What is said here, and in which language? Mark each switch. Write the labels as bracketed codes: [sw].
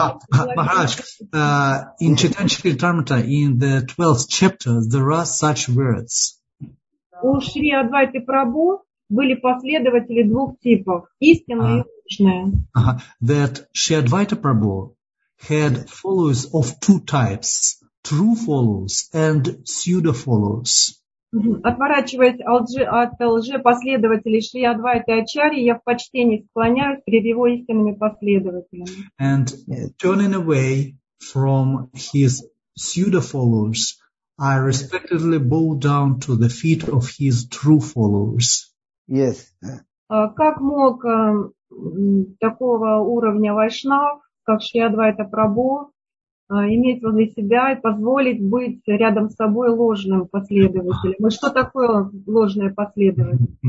[en] In Chaitanya Charitamrita, in the 12th chapter, there are such words. [ru] У Шри Адвайты Прабху были последователи двух типов, истинное и ложное. [en] That Шри Адвайта Прабху had followers of two types, true followers and pseudo followers. [ru] Отворачиваясь от лжепоследователей Шри Адвайты Ачарьи, я в почтении склоняюсь перед его истинными последователями. [en] And turning away from his pseudo-followers, I respectfully bow down to the feet of his true followers. Yes. [ru] Как мог такого уровня вайшнав, как Шри Адвайта Прабху, иметь возле себя и позволить быть рядом с собой ложным последователем. Но что такое ложное последователь?